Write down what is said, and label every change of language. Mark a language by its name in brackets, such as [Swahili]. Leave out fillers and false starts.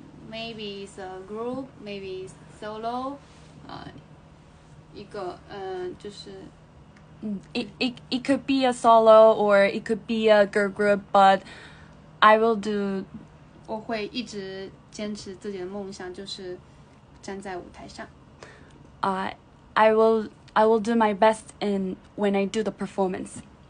[English] Maybe it's a group, maybe it's solo, [Chinese] 一个就是 [English] It could be a solo or it could be a girl group, but I will do. [Chinese] 我会一直坚持自己的梦想，就是站在舞台上。 [English] I will do my best in when I do the performance.